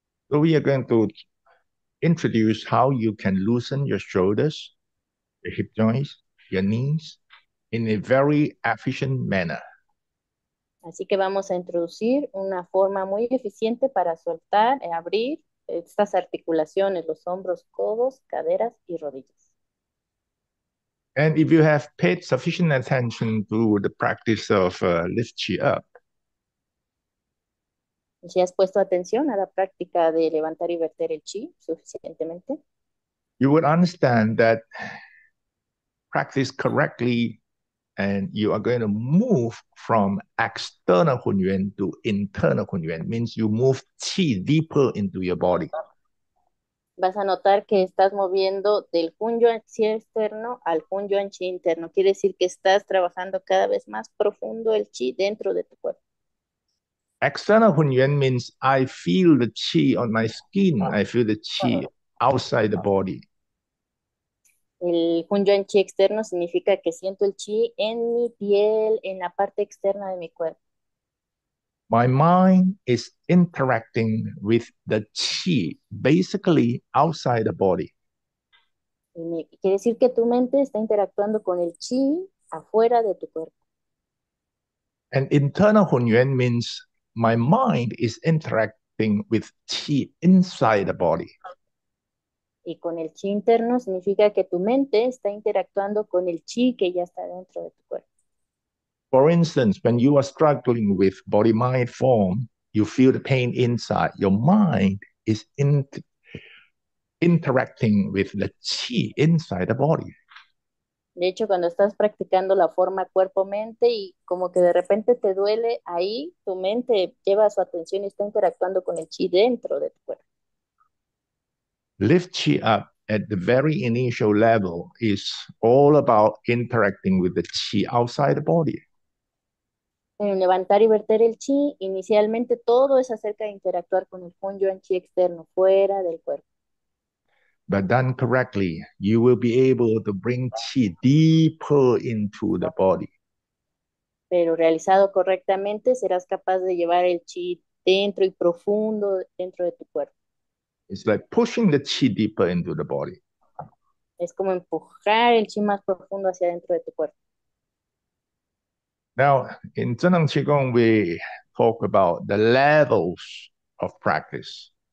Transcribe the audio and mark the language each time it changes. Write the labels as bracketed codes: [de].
[en] So we are going to introduce how you can loosen your shoulders, your hip joints, your knees in a very efficient manner. [es] Así que vamos a introducir una forma muy eficiente para soltar y abrir estas articulaciones, los hombros, codos, caderas y rodillas. [en] And if you have paid sufficient attention to the practice of lift you up, [es] Si has puesto atención a la práctica de levantar y verter el chi suficientemente. [en] you would understand that practice correctly and you are going to move from external hunyuan to internal hunyuan, means you move qi deeper into your body. [es] Vas a notar que estás moviendo del hunyuan chi externo al hunyuan chi interno. Quiere decir que estás trabajando cada vez más profundo el chi dentro de tu cuerpo. [en] External hunyuan means I feel the qi on my skin. I feel the qi outside the body. [es] El hunyuan chi externo significa que siento el chi en mi piel, en la parte externa de mi cuerpo. [en] My mind is interacting with the qi, basically outside the body. [es] Quiere decir que tu mente está interactuando con el chi afuera de tu cuerpo. [en] And internal hunyuan means my mind is interacting with qi inside the body. [es] Y con el chi interno significa que tu mente está interactuando con el chi que ya está dentro de tu cuerpo. [en] For instance, when you are struggling with body mind form, you feel the pain inside. Your mind is interacting with the qi inside the body. [es] De hecho, cuando estás practicando la forma cuerpo-mente y como que de repente te duele, ahí tu mente lleva su atención y está interactuando con el chi dentro de tu cuerpo. [en] Lift chi up at the very initial level is all about interacting with the chi outside the body. [es] En levantar y verter el chi, inicialmente todo es acerca de interactuar con el hunyuan chi externo, fuera del cuerpo. [en] But done correctly, you will be able to bring chi deeper into the body. [es] Pero realizado correctamente, serás capaz de llevar el chi dentro y profundo dentro de tu cuerpo. [en] It's like pushing the chi deeper into the body. [es] Es como empujar el chi más profundo hacia dentro de tu cuerpo. [en] Now, in Zhen Dong Qigong, we talk about the levels of practice.